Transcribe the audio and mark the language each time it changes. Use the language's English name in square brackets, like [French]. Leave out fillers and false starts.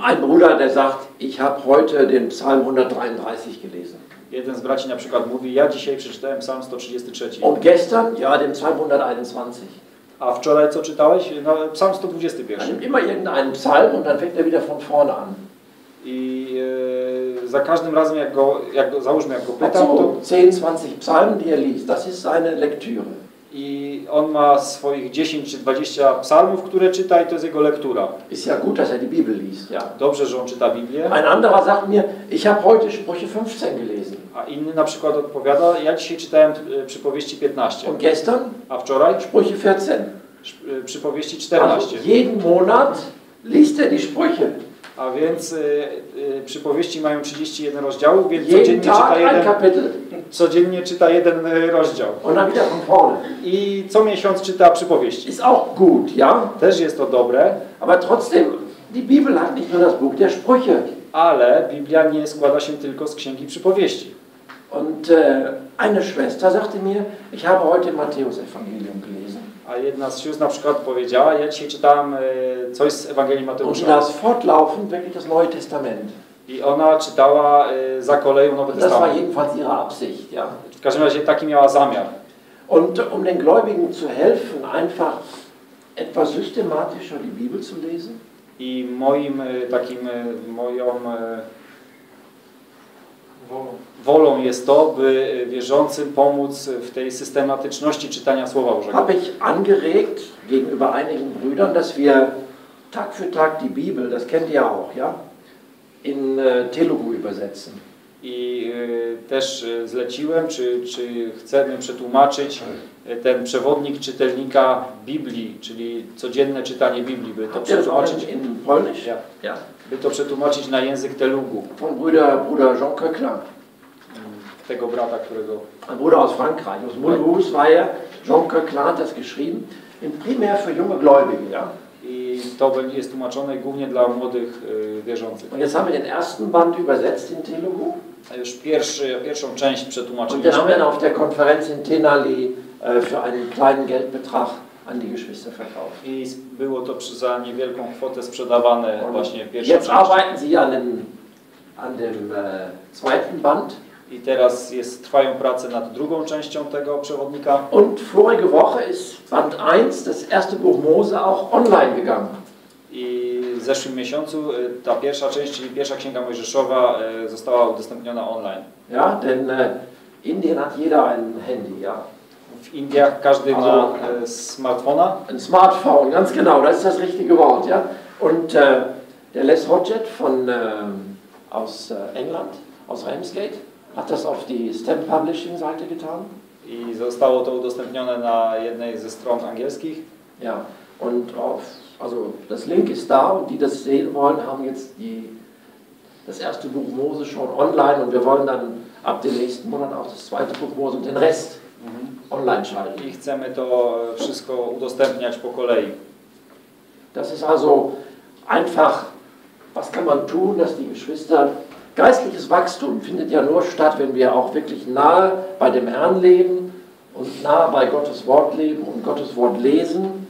[German] Ein Bruder, der sagt, ich habe heute den Psalm 133 gelesen. [Polish] Jeden z braci na przykład mówi, ja dzisiaj przeczytałem Psalm 133. [German] Und gestern, ja, den Psalm 121. [Polish] A wczoraj co czytałeś? No, psalm 121. [German] Immer irgendeinen psalm und dann fängt wieder von vorne an. [Polish] I za każdym razem, jak go pytam, [German] to 10-20 psalm, die er liest, das ist seine Lektüre. [Polish] I on ma swoich 10 czy 20 psalmów, które czyta, i to jest jego lektura. [German] Ist ja gut, dass er die Bibel liest. [Polish] Ja, dobrze, że on czyta Biblię. [German] Ein anderer sagt mir, ich habe heute Sprüche 15 gelesen. [Polish] A inny na przykład odpowiada, ja dzisiaj czytałem Przypowieści 15. [German] Und gestern? [Polish] A wczoraj? [German] Sprüche 14. [Polish] Przypowieści 14. [German] Also jeden Monat liest er die Sprüche. [Polish] A więc Przypowieści mają 31 rozdziałów, więc codziennie czyta jeden [German] kapitel. [Polish] Codziennie czyta jeden rozdział. [German] Ona wieder von vorne. [Polish] I co miesiąc czyta Przypowieści. [German] Ist auch gut, ja? [Polish] Też jest to dobre. [German] Aber trotzdem, die Bibel hat nicht nur das Buch der Sprüche. [Polish] Ale Biblia nie składa się tylko z Księgi Przypowieści. [German] Und eine Schwester sagte mir, ich habe heute Matthäus Evangelium gelesen. [Polish] A jedna z sióstr na przykład powiedziała, ja dzisiaj czytałam coś z Ewangelii Mateusza. [German] Und das fortlaufend wirklich das Neue Testament. [Polish] I ona czytała za koleją Nowy Testament. [German] Das war jedenfalls ihre Absicht, ja. [Polish] W każdym razie taki miała zamiar. [German] Und um den Gläubigen zu helfen, einfach etwas systematischer die Bibel zu lesen. [Polish] I moim takim moją wolą jest to, by wierzącym pomóc w tej systematyczności czytania Słowa Bożego. [German] Habe ich angeregt gegenüber einigen Brüdern, dass wir Tag für Tag die Bibel, das kennt ihr auch, ja, in Telugu übersetzen. [Polish] I też zleciłem, czy chcemy przetłumaczyć ten przewodnik czytelnika Biblii, czyli codzienne czytanie Biblii, by to przetłumaczyć. [German] In Polnisch? Ja. Ja. [Polish] By to przetłumaczyć na język telugu. [German] Von Bruder Jean Köckler. [Polish] Tego brata, którego... [German] Ein Bruder aus Frankreich, aus Mulhouse war er. Jean Köckler hat das geschrieben. In primär für junge Gläubige, ja. [Polish] I to jest tłumaczone głównie dla młodych wierzących. [German] Und jetzt haben wir den ersten Band übersetzt in telugu. [Polish] A już pierwszą część przetłumaczyli. [German] Und das haben wir auf der Konferenz in Tenali für einen kleinen Geldbetrag an die Geschwister verkauft. [Polish] I było to za niewielką kwotę sprzedawane właśnie pierwsze. [German] Jetzt arbeiten sie an dem zweiten Band. [Polish] I teraz trwają prace nad drugą częścią tego przewodnika. [German] Und vorige Woche ist Band 1, das erste Buch Mose, auch online gegangen. [Polish] I w zeszłym miesiącu ta pierwsza część, czyli pierwsza księga Mojżeszowa, została udostępniona online. [German] Ja, denn Indien hat jeder ein Handy, ja. [Polish] W Indiach każdy ma smartfona. [German] Ein Smartphone, ganz genau, das ist das richtige Wort, ja. Und der Les Hodget von aus England, aus Ramsgate, hat das auf die Stem Publishing Seite getan. [Polish] I zostało to udostępnione na jednej ze stron angielskich. [German] Ja, und auf, also das Link ist da, und die das sehen wollen, haben jetzt das erste Buch Mose schon online, und wir wollen dann ab dem nächsten Monat auch das zweite Buch Mose und den Rest online schalten. [Polish] I chcemy to wszystko udostępniać po kolei. [German] Das ist also einfach, was kann man tun, dass die Geschwister... Geistliches Wachstum findet ja nur statt, wenn wir auch wirklich nahe bei dem Herrn leben und nahe bei Gottes Wort leben und Gottes Wort lesen.